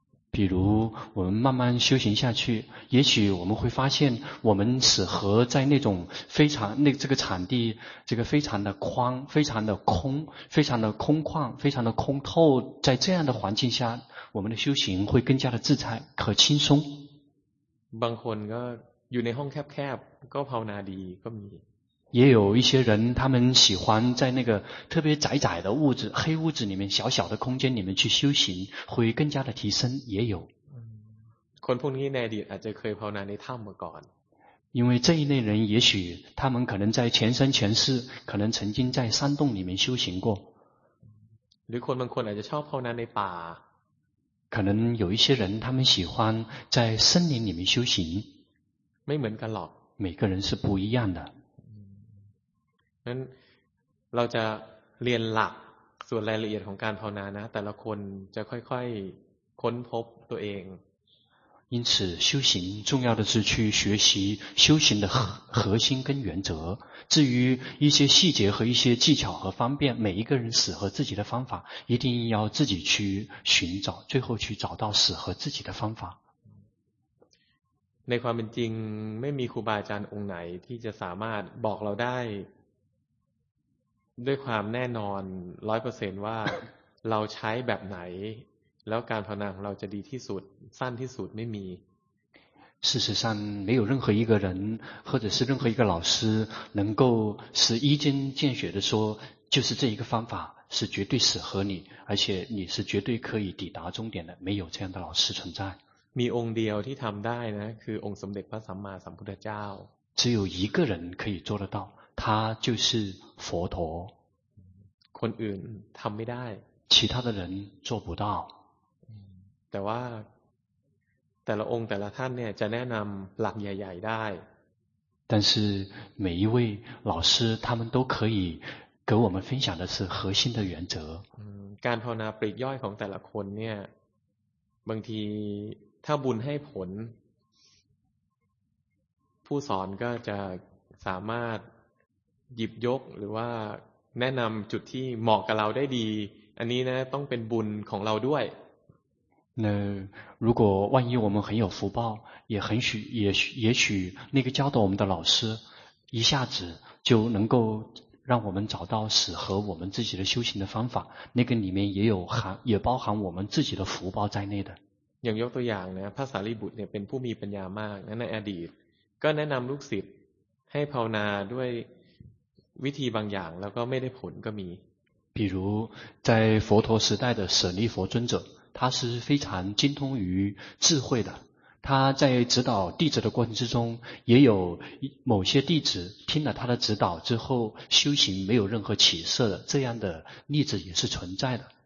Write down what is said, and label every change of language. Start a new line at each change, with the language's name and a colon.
Chinese: 比如我们慢慢修行下去，也许我们会发现我们适合在那种非常那这个场地这个非常的宽非常的空非常的空旷非常的空透，在这样的环境下我们的修行会更加的自在可轻松。
Thai: บางคนก็อยู่ในห้องแคบๆก็ภาวนาดีก็มี
Chinese: 也有一些人他们喜欢在那个特别窄窄的屋子黑屋子里面小小的空间里面去修行会更加的提升也有
Thai: คนพวกนี้ในอดีตอาจจะเคยภาวนาในถ้ำมาก่อน
Chinese: 因为这一类人也许他们可能在前生前世可能曾经在山洞里面修行过
Thai: หรือคนบางคนอาจจะชอบภาวนาในป่า
Chinese: 可能有一些人他们喜欢在森林里面修行
Thai: ไม่เหมือนกันหรอก
Chinese: 每个人是不一样的
Thai: นั้นเราจะเรียนหลักส่วนรายละเอียดของการภาวนานะแต่ละคนจะค่อยๆค้นพบตัวเอง
Chinese: 因此修行重要的是去学习修行的核心跟原则至于一些细节和一些技巧和方便每一个人适合自己的方法一定要自己去寻找最后去找到适合自己的方法
Thai: ในความเป็นจริงไม่มีครูบาอาจารย์องค์ไหนที่จะสามารถบอกเราได้ด้วยความแน่นอน 100% ว่าเราใช้แบบไหนแล้วการภาวนาของเราจะดีที่สุดสั้นที่สุดไม่มี
Chinese: 事实上没有任何一个人或者是任何一个老师能够是一针见血的说就是这一个方法是绝对适合你而且你是绝对可以抵达终点的没有这样的老师存在
Thai: มีองค์เดียวที่ทำได้นะคือองค์สมเด็จพระสัมมาสัมพุทธเจ้า
Chinese: 只有一个人可以做得到他就是佛陀
Thai: คนอื่นทำไม่ได้
Chinese: 其他的人做不到
Thai: แต่ว่าแต่ละองค์แต่ละท่านเนี่ยจะแนะนำหลักใหญ่ๆได้
Chinese: 但是每一位老师他们都可以给我们分享的是核心的原则
Thai: การภาวนาปลีกย่อยของแต่ละคนเนี่ยบางทีถ้าบุญให้ผลผู้สอนก็จะสามารถหยิบยกหรือว่าแนะนำจุดที่เหมาะกับเราได้ดีอันนี้นะต้องเป็นบุญของเราด้วย
Chinese: 那如果万一我们很有福报也很许也许那个教导我们的老师一下子就能够让我们找到适合我们自己的修行的方法那个里面也有含也包含我们自己的福报在内的
Thai: อย่างยกตัวอย่างนะพระสารีบุตรเนี่ยเป็นผู้มีปัญญามากนั้นในอดีตก็แนะนำลูกศิษย์ให้ภาวนาด้วยวิธีบางอย่างแล้วก็ไม่ได้ผลก็มี
Chinese: 比如在佛陀时代的舍利佛尊者他是非常精通于智慧的他在指导弟子的过程之中也有某些弟子听了他的指导之后修行没有任何起色的这样的例子也是存在的